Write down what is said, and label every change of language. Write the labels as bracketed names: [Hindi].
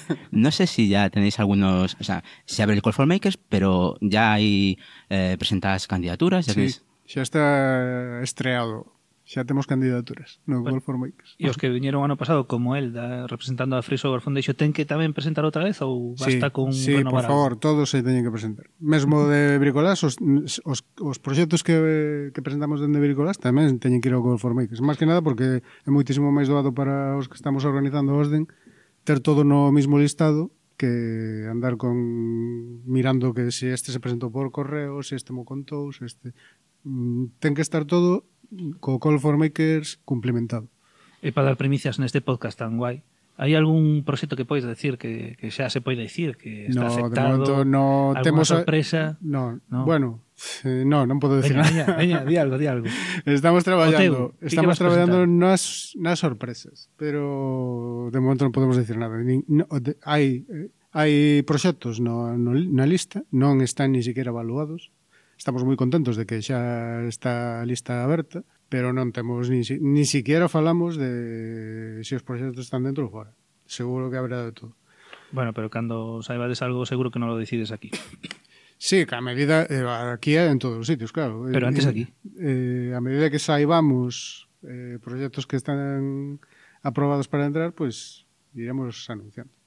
[Spanish] No sé si ya tenéis algunos, o sea, se abre el Call for Makers, pero ya hay presentadas candidaturas. Ya, sí, ya está estreado, ya tenemos candidaturas, no, bueno, Call for Makers. Y los que vinieron año pasado, como él, representando a Free Software Foundation, ¿tienen que también presentar otra vez o basta sí, con sí, renovar? Sí, por favor, todos se tienen que presentar. [Galician] Mesmo de Bricolás, os proxectos que presentamos dende Bricolás tamén teñen que ir ao Call for Makers. Más que nada porque é moitísimo máis doado para os que estamos organizando Osden ter todo no mismo listado [Spanish] que andar con mirando que si este se presentó por correo, si este me contó, si este... [Galician] Ten que estar todo con Call for Makers cumplimentado. E para dar primicias neste podcast tan guai, ¿hay algún proxecto que podes decir que xa se pode decir que está no, aceptado? De momento, no, alguna temos sorpresa? No, no. Bueno, no, non podo decir veña, nada. Veña, di algo, di algo. Estamos traballando, Oteu, estamos traballando nas, nas sorpresas, pero de momento non podemos decir nada. Ni, no, de, hai hai proxectos no, no, na lista, non están ni siquiera evaluados. Estamos moi contentos de que xa está a lista aberta, pero non temos ni siquiera falamos de se os proxectos están dentro ou fora. [Spanish] Seguro que habrá de todo. [Galician] Bueno, pero cando saibades algo, seguro que non lo decides aquí. Sí, que a medida, aquí é en todos os sitios, claro. Pero antes aquí. A medida que saibamos proxectos que están aprobados para entrar, pues iremos anunciando.